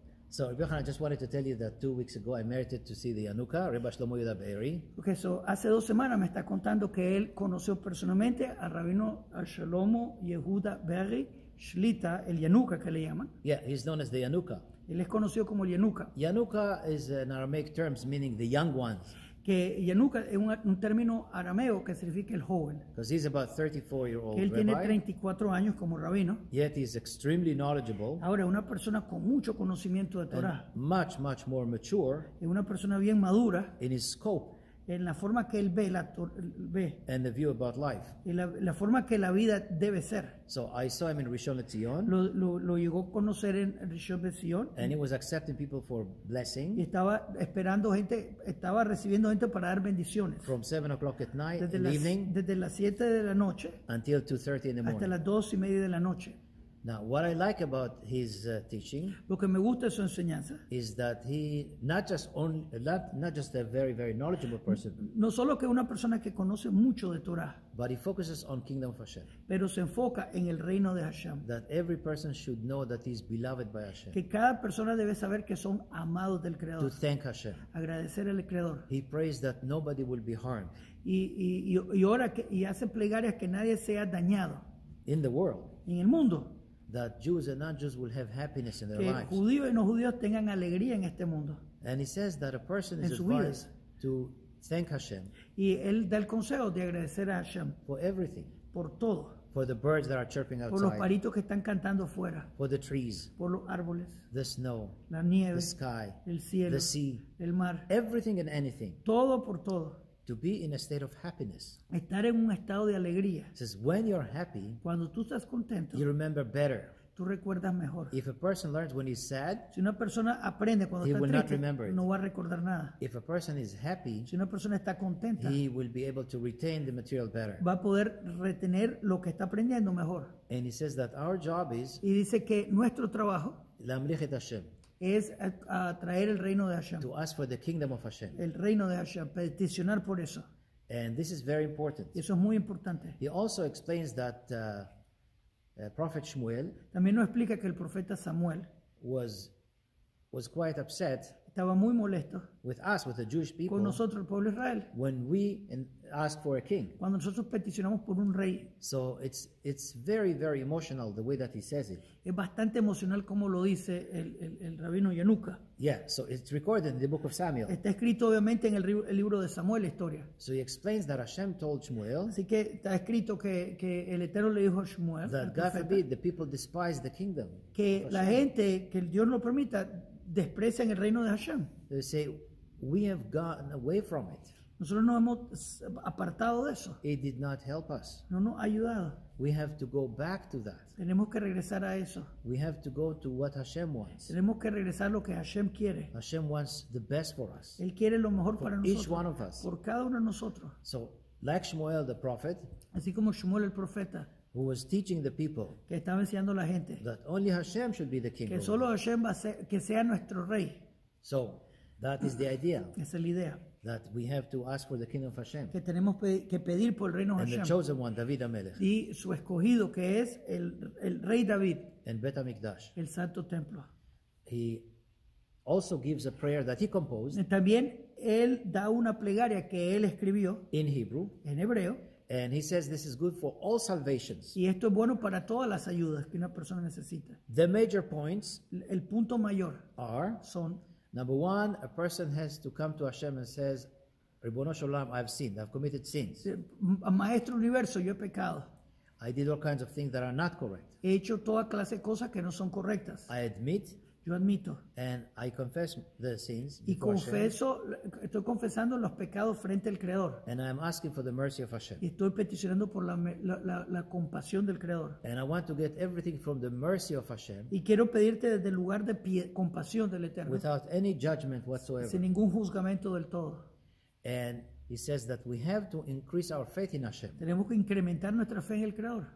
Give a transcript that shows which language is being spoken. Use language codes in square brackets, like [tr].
[en] So, Rabbi Yochanan, I just wanted to tell you that 2 weeks ago I merited to see the Anuka, Rabbi Shlomo Yehuda Be'eri. [es] Okay, so hace dos semanas me está contando que él conoció personalmente al rabino Shlomo Yehuda Be'eri Shlita, el Yanuka que le llaman. [en] Yeah, he's known as the Yanuka. [es] Él es conocido como el Yanuka. [en] Yanuka is an Aramaic term meaning the young ones. [es] Que Yanuka es un término arameo que significa el joven. [en] Because he's about 34-year-old rabbi. [es] Él tiene 34 años como rabino. [en] Yet he's extremely knowledgeable. [es] Ahora es una persona con mucho conocimiento de Torah. [en] And much, much more mature. [es] Es una persona bien madura. [en] In his scope. [es] En la forma que él ve la ve. [en] And the view about life. [es] Y la forma que la vida debe ser. [en] So I saw him in Rishon LeZion. [es] Lo llegó a conocer en Rishon LeZion. [en] And he was accepting people for blessing. [es] Y estaba esperando gente, estaba recibiendo gente para dar bendiciones. [en] From 7 o'clock at night in the evening. [es] Desde las 7 de la noche. [en] Until 2:30 in the morning. [es] Hasta las 2:30 de la noche. [en] Now, what I like about his teaching, [es] lo que me gusta de su enseñanza, [en] is that he not just a very very knowledgeable person, [es] no solo que una persona que conoce mucho de Torah, [en] but he focuses on kingdom of Hashem. [es] Pero se enfoca en el reino de Hashem. [en] That every person should know that he's beloved by Hashem. [es] Que cada persona debe saber que son amados del Creador. [en] To thank Hashem. [es] Agradecer al Creador. [en] He prays that nobody will be harmed. [es] Y ora que, y hace plegarias que nadie sea dañado. [en] In the world. [es] En el mundo. [en] That Jews and non-Jews will have happiness in their lives. [es] Que judíos y no judíos tengan alegría en este mundo. [en] And he says that a person is advised to thank Hashem. [es] Y él da el consejo de agradecer a Hashem. [en] For everything. [es] Por todo. [en] For the birds that are chirping outside. [es] Por los paritos que están cantando fuera. [en] For the trees. [es] Por los árboles. [en] The snow. [es] La nieve. [en] The sky. [es] El cielo. [en] The sea. [es] El mar. [en] Everything and anything. [es] Todo por todo. [en] To be in a state of happiness. [es] Estar en un estado de alegría. [en] It says when you're happy, [es] cuando tú estás contento, [en] you remember better. [es] Tú recuerdas mejor. [en] If a person learns when he's sad, [es] si una persona aprende cuando [en] he [es] está [en] will [es] triste, [en] not remember it. [es] No va a recordar nada. [en] If a person is happy, [es] si una persona está contenta, [en] he will be able to retain the material better. [es] Va a poder retener lo que está aprendiendo mejor. [en] And he says that our job is, [es] y dice que nuestro trabajo, [he] Lamlich et Hashem, [es] es a traer el reino de Hashem. [en] To ask for the kingdom of Hashem. [es] El reino de Hashem, peticionar por eso. [en] And this is very important. [es] Eso es muy importante. [en] He also explains that Prophet Shmuel, [es] también nos explica que el profeta Samuel [en] was quite upset, [es] estaba muy molesto, [en] with us, with the Jewish people, [es] con nosotros, el pueblo de Israel, [en] when we ask for a king. [es] Cuando nosotros peticionamos por un rey. [en] So it's very very emotional the way that he says it. [es] Es bastante emocional como lo dice el rabino Yanuka. [en] Yeah, so it's recorded in the book of Samuel. [es] Está escrito obviamente en el libro de Samuel, la historia. [en] So he explains that Hashem told Shmuel. [es] Así que está escrito que el Eterno le dijo a Shmuel. [en] That God forbid the people despise the kingdom. [es] Que la gente, que el Dios lo permita, desprecian el reino de Hashem. [en] They say we have gotten away from it. [es] Nosotros nos hemos apartado de eso. [en] It did not help us. [es] No nos ha ayudado. [en] We have to go back to that. [es] Tenemos que regresar a eso. [en] We have to go to what Hashem wants. [es] Tenemos que regresar lo que Hashem quiere. [en] Hashem wants the best for us. [es] Él quiere lo mejor [en] for [es] para [en] each [es] nosotros. [en] One of us. [es] Por cada uno de nosotros. [en] So, like Shmuel the prophet, [es] así como Shmuel el profeta, [en] who was teaching the people, [es] que estaba enseñando a la gente, [en] that only Hashem should be the king. [es] Que solo Hashem va a ser, que sea nuestro rey. [en] So, that is the idea. [es] Esa es la idea. [en] That we have to ask for the kingdom of Hashem. [es] Que tenemos que pedir por el reino de [en] Hashem. And the chosen one, David HaMelech. [es] Y su escogido, que es el rey David. [en] And Bet HaMikdash. [es] El santo templo. [en] He also gives a prayer that he composed. [es] También él da una plegaria que él escribió. [en] In Hebrew. [es] En hebreo. [en] And he says this is good for all salvations. [es] Y esto es bueno para todas las ayudas que una persona necesita. [en] The major points. [es] El punto mayor. [en] Are. [es] Son. [en] Number one, a person has to come to Hashem and says, [he] Ribono Shalom, [en] I've sinned, I've committed sins. [es] Maestro Universo, yo he pecado. [en] I did all kinds of things that are not correct. [es] He hecho toda clase de cosas que no son correctas. [en] I admit. [es] Yo admito. [en] And I confess the sins. [es] Y confeso, estoy confesando los pecados frente al Creador. [en] And I'm asking for the mercy of Hashem. [es] Y estoy peticionando por la compasión del Creador. [en] And I want to get everything from the mercy of Hashem. [es] Y quiero pedirte desde el lugar de compasión del Eterno. [en] Without any judgment whatsoever. [es] Sin ningún juzgamiento del todo. [en] And he says that we have to increase our faith in Hashem. [es] Tenemos que incrementar nuestra fe en el Creador.